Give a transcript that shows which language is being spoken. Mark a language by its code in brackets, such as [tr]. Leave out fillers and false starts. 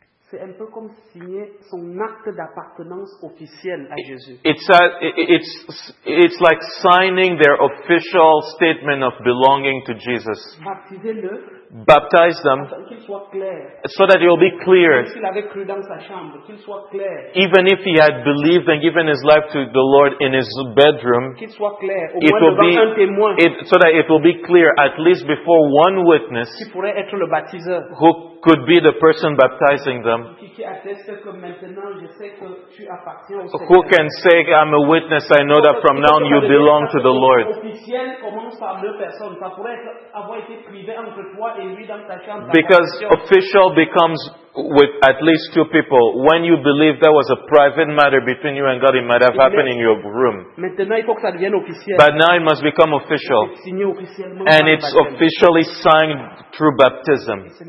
[fr] C'est un peu comme signer son acte d'appartenance officiel à Jésus. [en] It's like signing their official statement of belonging to Jesus. [fr] Baptisez-le. [en] Baptize them. [fr] Qu'il soit clair. [en] So that it will be clear. [fr] Même s'il avait cru dans sa chambre, qu'il soit clair. [en] Even if he had believed and given his life to the Lord in his bedroom. [fr] Qu'il soit clair. Au moins devant un témoin. [en] So that it will be clear at least before one witness. [fr] Qui pourrait être le baptiseur. [en] Who could be the person baptizing them. [fr] Qui atteste que maintenant je sais que tu appartiens au Seigneur. [en] Who can say, "I'm a witness, I know that from now on you belong to the Lord." [fr] Officiel commence par deux personnes. Ça pourrait avoir été privé entre toi. [en] Because official becomes with at least two people. When you believe that was a private matter between you and God, it might have happened in your room. But now it must become official. And it's officially signed through baptism.